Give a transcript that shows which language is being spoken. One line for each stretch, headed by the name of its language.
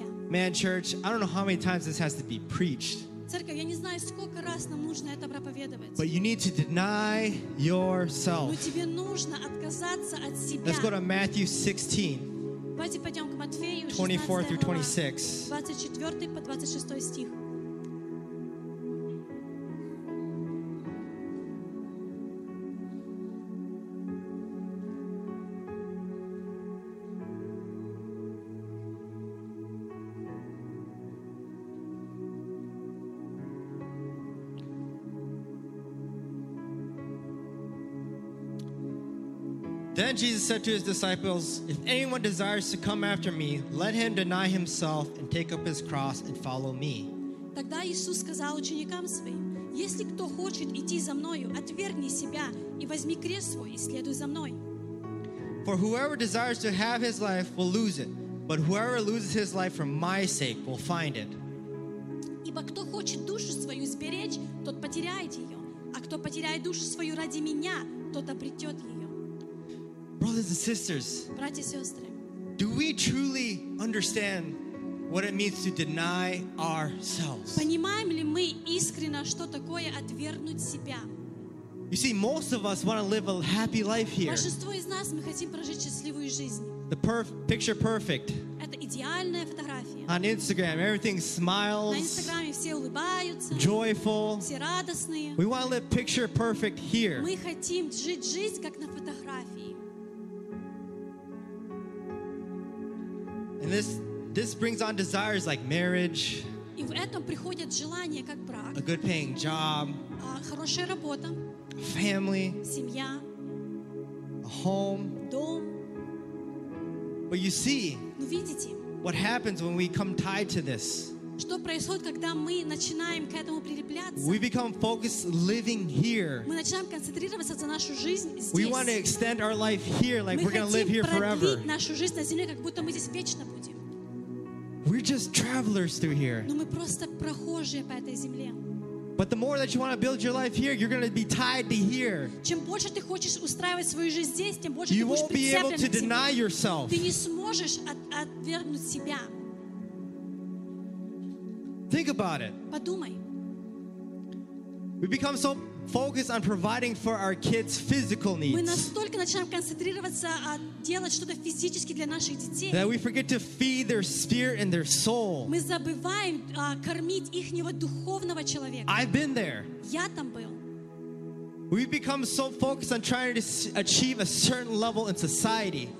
English: Man, church, I don't know how many times this has to be preached.
Russian: Церковь, я не знаю, сколько раз нам нужно это проповедовать.
English: But you need to deny yourself.
Russian: Но тебе нужно отказаться от себя.
English: Let's go to Matthew 16.
Russian: Давайте пойдем к Матфею
English: 24-26.
Russian: 24-26 стих.
English: Then Jesus said to his disciples, If anyone desires to come after me, let him deny himself and take up his cross and follow me.
Russian: Тогда Иисус сказал ученикам своим, Если кто хочет идти за мною, отвергни себя и возьми крест свой и следуй за мной.
English: For whoever desires to have his life will lose it, but whoever loses his life for my sake will find it.
Russian: Ибо кто хочет душу свою сберечь, тот потеряет ее, а кто потеряет душу свою ради меня, тот обретет ее.
English: Brothers and sisters,
Russian: Братья, сестры,
English: do we truly understand what it means to deny ourselves?
Russian: Понимаем ли мы искренно, что такое отвергнуть себя?
English: You see, most of us want to live a happy life here.
Russian: Большинство из нас мы хотим прожить счастливую жизнь.
English: The picture perfect.
Russian: Это идеальная фотография.
English: On Instagram, everything smiles.
Russian: На Инстаграме все улыбаются.
English: Joyful.
Russian: Все радостные.
English: We want to live picture perfect here.
Russian: Мы хотим жить жизнь как на фотографии.
English: And this brings on desires like marriage, a good paying job,
Russian: работа,
English: family,
Russian: семья,
English: a home.
Russian: Дом.
English: But you see,
Russian: ну, видите,
English: what happens when we come tied to this?
Russian: Что происходит, когда мы начинаем к этому прилепляться?
English: We become focused living here.
Russian: Мы начинаем концентрироваться за нашу жизнь здесь.
English: We want to extend our life here, like
Russian: мы
English: we're going to live here forever.
Russian: Мы хотим продлить нашу жизнь на земле, как будто мы здесь вечно будем.
English: We're just travelers through here.
Russian: Но мы просто прохожие по этой земле.
English: But the more that you want to build your life here, you're going to be tied to here.
Russian: Чем больше ты хочешь устраивать свою жизнь здесь, тем больше ты будешь прицеплен к земле.
English: You won't be able to deny yourself.
Russian: Ты не сможешь отвергнуть себя.
English: Think about it.
Russian: Подумай.
English: We become so focused on providing for our kids' physical needs.
Russian: Мы настолько начинаем концентрироваться на делать что-то физически для наших детей.
English: That we forget to feed their spirit and their soul.
Russian: Мы забываем кормить ихнего духовного человека.
English: I've been there.
Russian: Я там был.
English: We become so focused on trying to achieve a certain level in society.